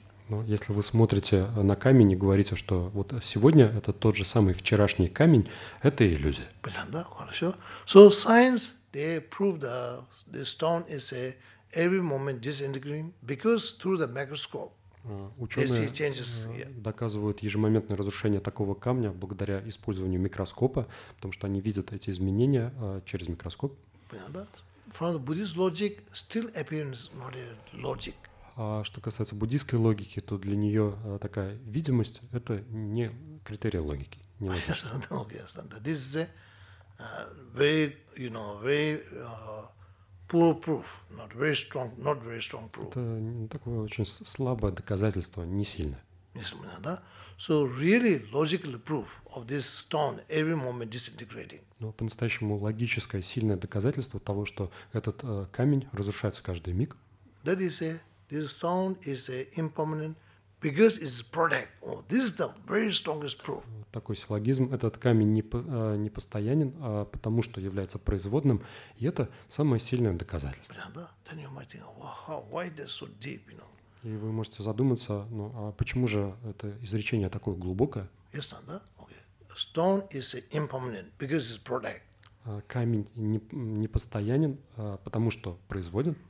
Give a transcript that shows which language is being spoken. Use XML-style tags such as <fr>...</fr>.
<ru>Но если вы смотрите на камень и говорите, что вот сегодня это тот же самый вчерашний камень, это иллюзия. Да, хорошо.</ru> <en>So science they prove the stone is a every moment disintegrating because through the microscope.</en> <ru>Ученые доказывают ежемоментное разрушение такого камня благодаря использованию микроскопа, потому что они видят эти изменения через микроскоп. Да.</ru> <en>From the Buddhist logic, still appearance not a logic.</en> <ru>А что касается буддийской логики, то для нее такая видимость — это не критерий логики. Не</ru> <en>This is a very, you know, very poor proof, not very strong, not very strong proof.</en> <ru>Это такое очень слабое доказательство, не сильное. Несомненно, да?</ru> <en>So really logical proof of this stone every moment disintegrating.</en> <ru>Но по-настоящему логическое сильное доказательство того, что этот камень разрушается каждый миг.</ru> <en>That is a This stone is a impermanent because it's product. Oh, this is the very strongest proof.</en> <ru>Такой силлогизм, этот камень не постоянен, а потому что является производным, и это самое сильное доказательство. Yeah, да?</ru> <en>Then you might think, wow, why they're so deep, you know?</en> <ru>И вы можете задуматься, ну, а почему же это изречение такое глубокое?</ru> <en>Yes, no,</en> <ru>да?</ru> <en>Okay. Stone is impermanent because it's product.</en> <ru>Камень не постоянен, потому что производен.</ru>